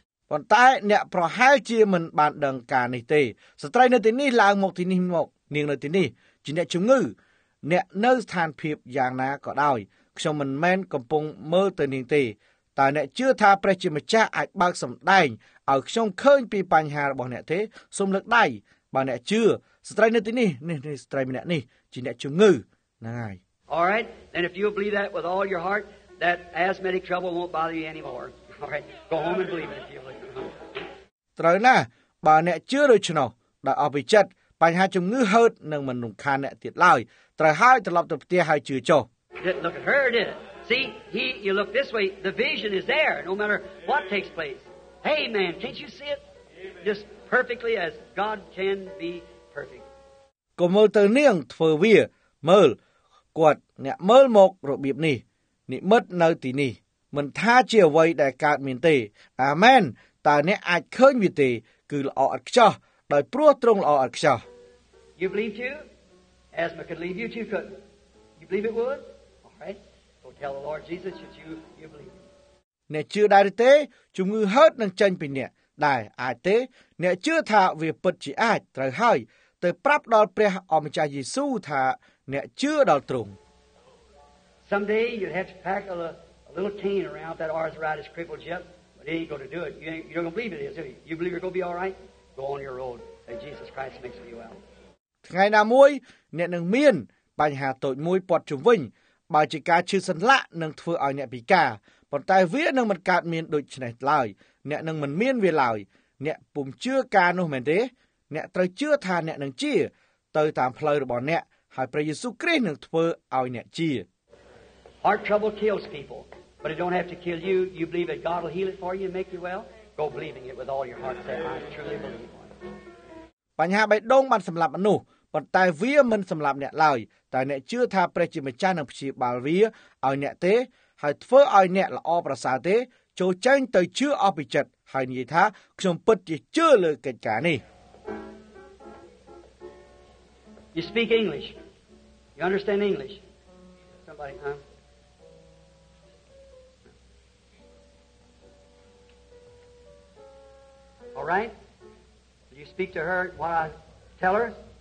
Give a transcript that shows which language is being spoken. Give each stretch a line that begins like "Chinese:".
Khmer: ប៉ុន្តែអ្នកប្រហែលជាមិនបានដឹងការនេះទេស្ត្រីនៅទីនេះឡើងមកទីនេះមកនាងនៅទីនេះជាអ្នកជំងឺអ្នកនៅស្ថានភាពយ៉ាងណាក៏ដោយខ្ញុំមិនមែនកំពុងមើលទៅនាងទេតើអ្នកជឿថាព្រះជាម្ចាស់អាចបើកសម្ដែងឲ្យខ្ញុំឃើញពីបញ្ហារបស់អ្នកទេសូមលើកដៃបើអ្នកជឿស្ត្រីនៅទីនេះនេះស្ត្រីម្នាក់នេះជាអ្នកជំងឺហ្នឹងហើយ
English: All right then if you believe that with all your heart that asthmatic trouble won't bother you anymore All right, go home and believe it if you
Khmer: ត្រូវណាស់បើអ្នកជឿដូច្នោះដល់អបិជិតបញ្ហាជំងឺហឺតនឹងមិនរំខានអ្នកទៀតឡើយត្រូវហើយត្រឡប់ទៅផ្ទះហើយជឿចុះ
English: Look at her, did it? See, he, you look this way, the vision is there, no matter what takes place. Hey, man, can't you see it? Just perfectly as God can be perfect.
Khmer: កុំមើលទៅនាងធ្វើវាមើលគាត់អ្នកមើលមករបៀបនេះនិមិត្តនៅទីនេះមិនថាជាអ្វីដែលកើតមានទេអាមែនតើអ្នកអាចឃើញវាទេគឺល្អឥតខ្ចោះដោយព្រោះទ្រង់ល្អឥតខ្ចោះ
English: You believe too? Asthma could leave you too, couldn't you? You believe it would? All right. Go tell the Lord Jesus that you believe.
Khmer: អ្នកជឿដែរទេជំងឺហឺតនឹងចេញពីអ្នកដែរអាចទេអ្នកជឿថាវាពិតជាអាចត្រូវហើយទៅប្រាប់ដល់ព្រះអម្ចាស់យេស៊ូវថាអ្នកជឿដល់ទ្រង់
English: Someday you'd have to pack a little cane around that arthritis crippled yet. But he ain't going to do it. You don't believe it, is it? You believe you're going to be all right? Go on your road. And Jesus Christ makes you well.
Khmer: ថ្ងៃណាមួយអ្នកនឹងមានបញ្ហាតូចមួយពត់ជំវិញបើជាការឈឺសន្លាក់នឹងធ្វើឲ្យអ្នកពិការប៉ុន្តែវានឹងមិនកើតមានដូចនេះឡើយអ្នកនឹងមិនមានវាឡើយអ្នកពុំជឿការនោះមែនទេអ្នកត្រូវជឿថាអ្នកនឹងជាទៅតាមផ្លូវរបស់អ្នកហើយព្រះយេស៊ូវគ្រីស្ទនឹងធ្វើឲ្យអ្នកជា
English: Heart trouble kills people. But it don't have to kill you. You believe that God will heal it for you and make you well? Go believing it with all your heart. Say, I truly believe it.
Khmer: បញ្ហាបេះដូងបានសម្លាប់មនុស្សប៉ុន្តែវាមិនសម្លាប់អ្នកឡើយតែអ្នកជឿថាព្រះជាម្ចាស់នឹងព្យាបាលវាឲ្យអ្នកទេហើយធ្វើឲ្យអ្នកល្អប្រសើរទេចូលចែងទៅជឿអស់ពីចិត្តហើយនិយាយថាខ្ញុំពិតជាជឿលើកិច្ចការនេះ
English: You speak English. You understand English. Somebody, huh? All right? Will you speak to her what I tell her?